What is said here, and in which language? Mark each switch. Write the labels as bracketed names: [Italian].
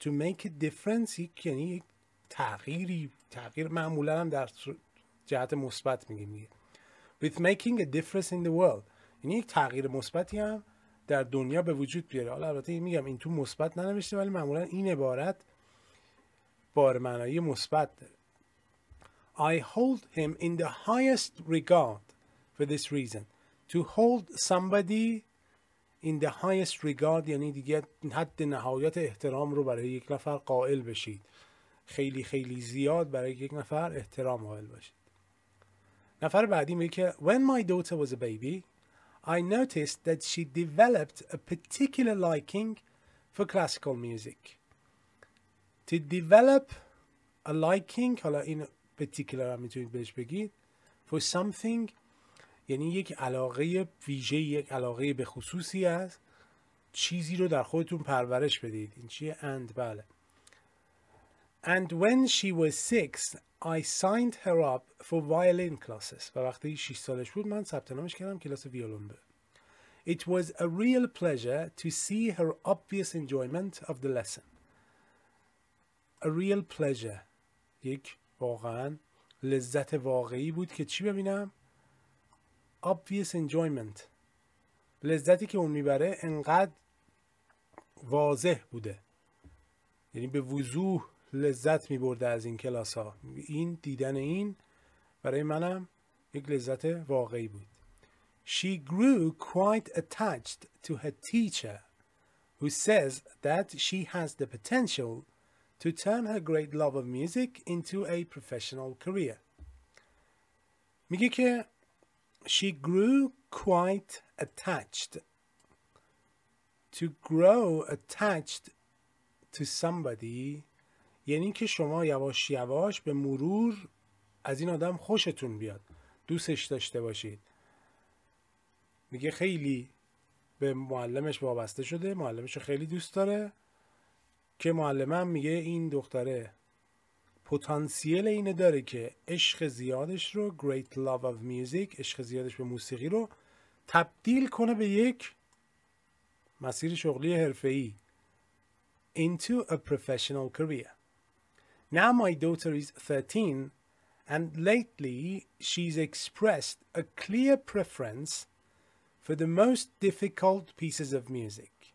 [English] To make a difference [Persian] یعنی تغییر معمولا هم در جهت مثبت میگیم. [English] With making a difference in the world [Persian] یعنی یک تغییر مثبتی هم در دنیا به وجود بیاره. حالا البته میگم این تو مثبت ننوشته، ولی معمولا این عبارت بار معنایی مثبت داره. [English] I hold him in the highest regard for this reason. To hold somebody in the highest regard [Persian] یعنی دیگه حد نهایت احترام رو برای یک نفر قائل بشید. خیلی خیلی زیاد برای یک نفر احترام قائل بشید. نفر بعدی میگه که [English] When my daughter was a baby, I noticed that she developed a particular liking for classical music. To develop a liking, [Persian] حالا این [English] particular [Persian] هم میتونید بهش بگید، [English] for something [Persian] یعنی یک علاقه ویژه، یک علاقه به خصوصی است، چیزی رو در خودتون پرورش بدید. این چیه؟ and بله. [English] And when she was 6 I signed her up for violin classes. [Persian] و وقتی 6 سالش بود من ثبت نامش کردم کلاس ویولون به. [English] It was a real pleasure to see her obvious enjoyment of the lesson. A real pleasure [Persian] یک واقعا لذت واقعی بود که چی ببینم؟ [English] obvious enjoyment [Persian] لذتی که اون میبره انقدر واضح بوده، یعنی به وضوح لذت میبرده از این کلاس ها. این دیدن این برای منم یک لذت واقعی بود. [English] She grew quite attached to her teacher who says that she has the potential to turn her great love of music into a professional career. [Persian] میگه که [English] she grew quite attached. [Persian] To grow attached to somebody یعنی که شما یواش یواش به مرور از این آدم خوشتون بیاد، دوستش داشته باشید. میگه خیلی به معلمش وابسته شده، معلمش رو خیلی دوست داره، که معلمم میگه این دختره پتانسیل اینه داره که عشق زیادش رو، [English] great love of music، [Persian] عشق زیادش به موسیقی رو تبدیل کنه به یک مسیر شغلی حرفه‌ای. [English] Into a professional career. Now my daughter is 13 and lately she's expressed a clear preference for the most difficult pieces of music.